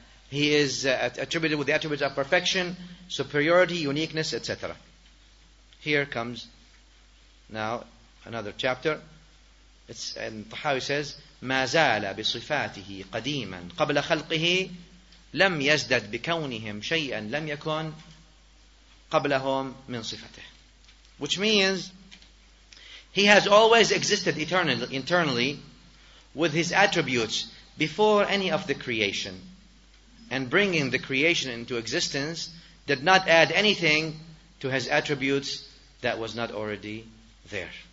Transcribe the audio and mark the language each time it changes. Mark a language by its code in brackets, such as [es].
[en] He is attributed with the attributes of perfection, superiority, uniqueness, etc. Here comes now another chapter. It's, and Tahawi says, [ar] مَا زَالَ بِصِفَاتِهِ قَدِيمًا قَبْلَ خَلْقِهِ لَمْ يَزْدَدْ بِكَوْنِهِمْ شَيْئًا لَمْ يَكُنْ قَبْلَهُمْ مِنْ صِفَتِهِ. [en] Which means, he has always existed internally with his attributes before any of the creation. And bringing the creation into existence did not add anything to his attributes that was not already there.